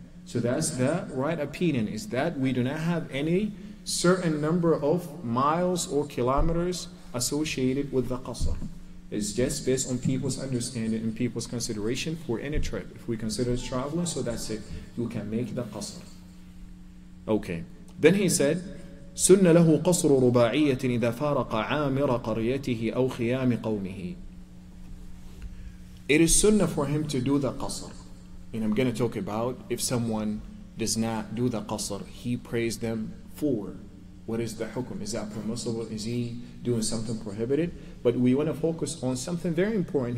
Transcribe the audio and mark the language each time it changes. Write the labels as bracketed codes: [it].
[en] So that's the right opinion, is that we do not have any certain number of miles or kilometers associated with the qasr. It's just based on people's understanding and people's consideration for any trip. If we consider it traveling, so that's it. You can make the qasr. Okay. [ar] Then he said, سُنَّ لَهُ قَصْرُ رُبَاعِيَّةٍ إِذَا فَارَقَ عَامِرَ قَرْيَتِهِ أَوْ خِيَامِ قَوْمِهِ. [en] It is sunnah for him to do the qasr. And I'm going to talk about if someone does not do the qasr, he prays them for. What is the hukum? Is that permissible? Is he doing something prohibited? But we want to focus on something very important.